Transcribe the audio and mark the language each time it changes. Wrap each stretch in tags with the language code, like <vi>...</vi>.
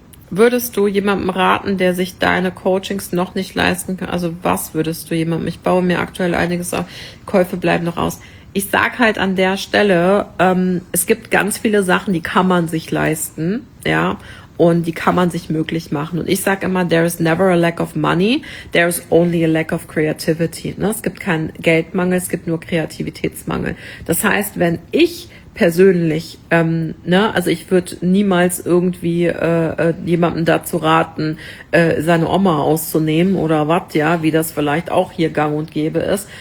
<de>Würdest du jemandem raten, der sich deine Coachings noch nicht leisten kann? Also was würdest du jemandem? Ich baue mir aktuell einiges auf. Käufe bleiben noch aus. Ich sag halt an der Stelle, es gibt ganz viele Sachen, die kann man sich leisten, ja? Und die kann man sich möglich machen. Und ich sag immer,</de> <en>there is never a lack of money, there is only a lack of creativity.</en> <de>Ne? Es gibt keinen Geldmangel, es gibt nur Kreativitätsmangel. Das heißt, wenn ich persönlich, also ich würde niemals irgendwie jemandem dazu raten, seine Oma auszunehmen oder was, ja, wie das vielleicht auch hier gang und gäbe ist.</de>